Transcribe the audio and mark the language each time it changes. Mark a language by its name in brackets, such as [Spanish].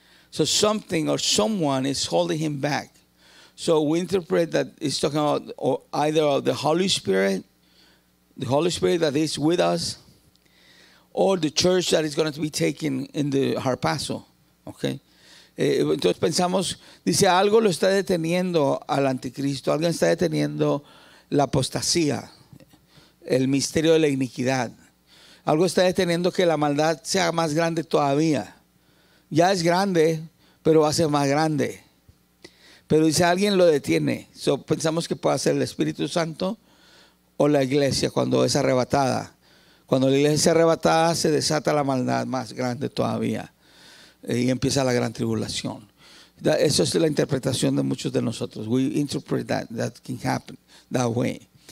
[English] So something or someone is holding him back. So we interpret that it's talking about or either of the Holy Spirit that is with us, or the church that is going to be taken in the harpazo, okay? [Spanish] Entonces pensamos, dice, algo lo está deteniendo al anticristo, algo está deteniendo la apostasía, el misterio de la iniquidad. Algo está deteniendo que la maldad sea más grande todavía. Ya es grande, pero va a ser más grande. Pero dice, alguien lo detiene. So, pensamos que puede ser el Espíritu Santo o la iglesia cuando es arrebatada. Cuando la iglesia es arrebatada, se desata la maldad más grande todavía. Y empieza la gran tribulación. Esa es la interpretación de muchos de nosotros. [English] We interpret that, that can happen that way.